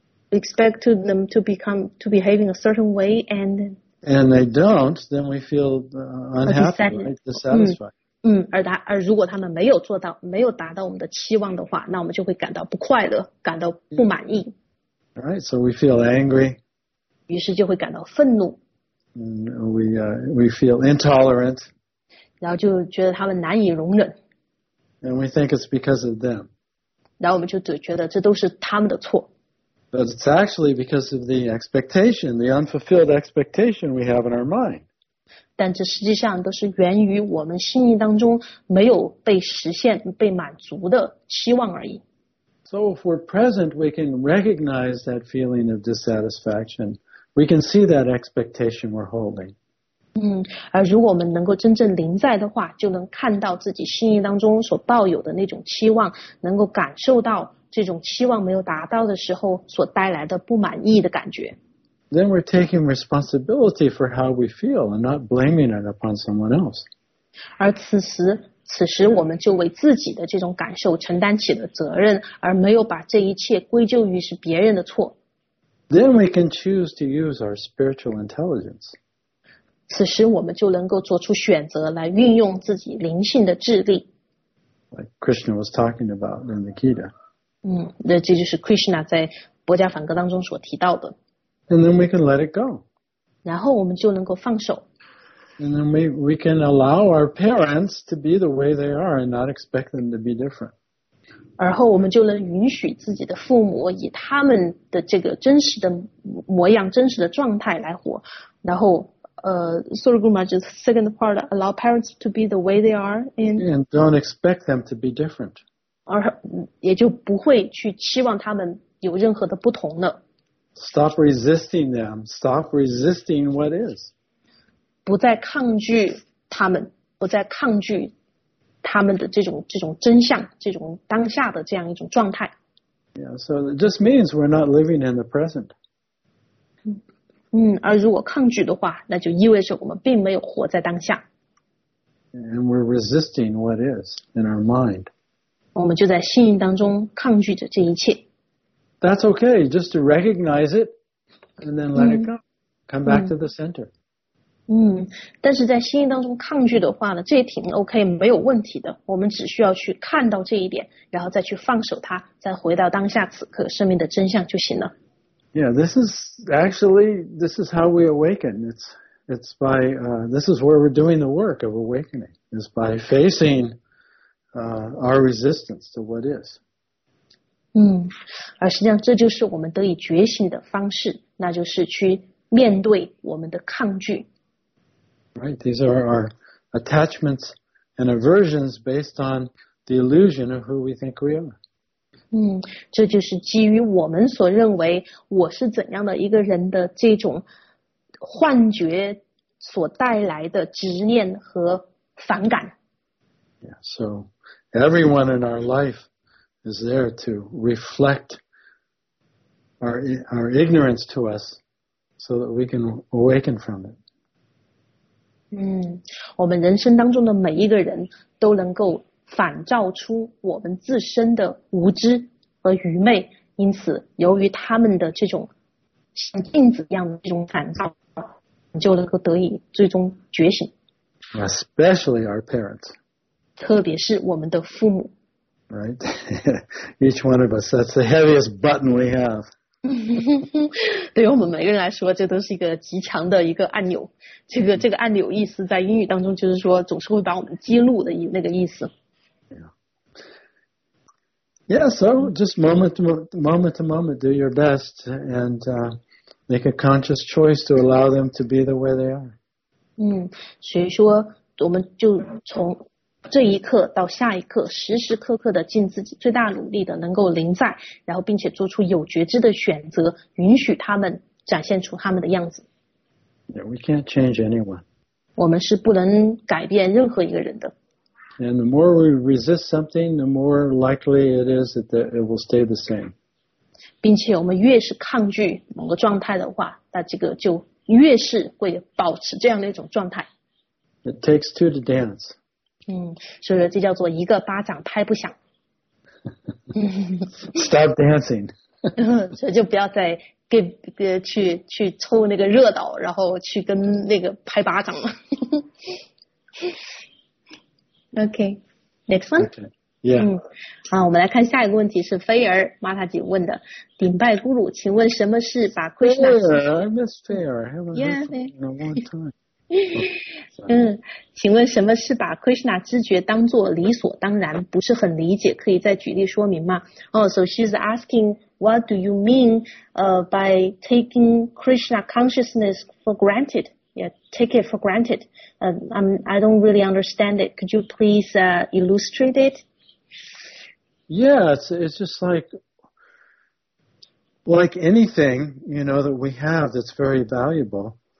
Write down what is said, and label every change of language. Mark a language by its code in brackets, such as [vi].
[en] Expect them to behave in a certain way and they don't, then we feel unhappy, right? Dissatisfied. [zh] 而如果他们没有做到，没有达到我们的期望的话，那我们就会感到不快乐，感到不满意。 [en] All right, so we feel angry. [zh] 于是就会感到愤怒。 [en] We feel intolerant. [zh] 然后就觉得他们难以容忍。 [en] And we think it's because of them. [zh] 然后我们就觉得这都是他们的错。 [en] But it's actually because of the expectation, the unfulfilled expectation we have in our mind. [zh] 但这实际上都是源于我们心意当中没有被实现、被满足的期望而已。 [en] So if we're present, we can recognize that feeling of dissatisfaction. We can see that expectation we're holding. [zh] 而如果我们能够真正临在的话，就能看到自己心意当中所抱有的那种期望，能够感受到这种期望没有达到的时候所带来的不满意的感觉。 [en] Then we're taking responsibility for how we feel and not blaming it upon someone else. [zh] 而此时我们就为自己的这种感受承担起了责任，而没有把这一切归咎于是别人的错。 [en] Then we can choose to use our spiritual intelligence. [zh] 此时我们就能够做出选择来运用自己灵性的智力。 [en] Like Krishna was talking about in the Gita. [zh] 那这就是 Krishna 在《薄伽梵歌》当中所提到的。 [en] And then we can let it go. [zh] 然后我们就能够放手。 [en] And then we can allow our parents to be the way they are and not expect them to be different. [zh] 而后我们就能允许自己的父母以他们的这个真实的模样、真实的状态来活。然后 [en] sorry, Guruma, just second part, allow parents to be the way they are and don't expect them to be different. [zh] 而也就不会去期望他们有任何的不同了。 [en] Stop resisting them. Stop resisting what is. [zh] 不再抗拒他们，不再抗拒他们的这种真相，这种当下的这样一种状态。 [en] Yeah, so it just means we're not living in the present. [zh] 而如果抗拒的话，那就意味着我们并没有活在当下。 [en] And we're resisting what is in our mind. [zh] 我们就在心灵当中抗拒着这一切。 [en] That's okay, just to recognize it and then let it go. Come back to the center. [zh] 但是在心意当中抗拒的话呢，这也挺 OK, 没有问题的。我们只需要去看到这一点，然后再去放手它，再回到当下此刻生命的真相就行了。 [en] Yeah, this is how we awaken. It's by, this is where we're doing the work of awakening. It's by facing, our resistance to what is. [zh] 而实际上这就是我们得以觉醒的方式，那就是去面对我们的抗拒。 [en] Right, these are our attachments and aversions based on the illusion of who we think we are. [zh] 这就是基于我们所认为我是怎样的一个人的这种幻觉所带来的执念和反感。 [en] Yeah, so everyone in our life is there to reflect our ignorance to us so that we can awaken from it. [zh] 我们人生当中的每一个人都能够反照出我们自身的无知和愚昧，因此由于他们的这种像镜子一样的这种反照，就能够得以最终觉醒。 [en] Especially our parents. [zh] 特别是我们的父母。 [en] Right. Each one of us, that's the heaviest button we have. [zh] 对于我们每个人来说，这都是一个极强的一个按钮。这个按钮意思在英语当中就是说总是会把我们激怒的那个意思。 [en] Yeah, so just moment to moment, do your best and make a conscious choice to allow them to be the way they are. [zh] 所以说我们就从这一刻到下一刻时时刻刻的尽自己最大努力的能够临在，然后并且做出有觉知的选择，允许他们展现出他们的样子。 [en] Yeah, we can't change anyone. [zh] 我们是不能改变任何一个人的。 [en] And the more we resist something, the more likely it is that it will stay the same. [zh] 并且我们越是抗拒某个状态的话，那这个就越是会保持这样的一种状态。 [en] It takes two to dance. [zh] 所以说这叫做一个巴掌拍不响。 [en] Stop dancing. [zh] 所以就不要再去凑那个热闹，然后去跟那个拍巴掌了。 [en] Okay, next one. Okay. Yeah. [zh] 好，我们来看下一个问题，是菲儿玛塔吉问的。顶拜鲁鲁，请问什么是把 Krishna？ [en] Fair, I miss Fair. I haven't heard from her in a long time. [zh] 请问什么是把 Krishna 知觉当作理所当然？不是很理解，可以再举例说明吗？ [en] Oh, so she's asking, what do you mean, by taking Krishna consciousness for granted? Yeah, take it for granted. I don't really understand it. Could you please illustrate it? Yeah, it's just like anything, you know, that we have that's very valuable.